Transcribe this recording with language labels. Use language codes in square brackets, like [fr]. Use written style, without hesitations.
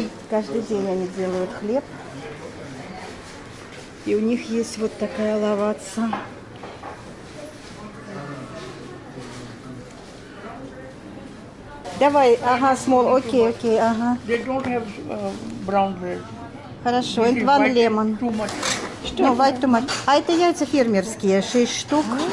[ru] Каждый день они делают хлеб. И у них есть вот такая лаваца. Давай, ага, small, окей, окей, ага. [en] They don't have brown bread. [ru] Хорошо, [en] and one lemon. [ru] Что? [en] No, white too much. [ru] А это яйца фермерские, 6 штук.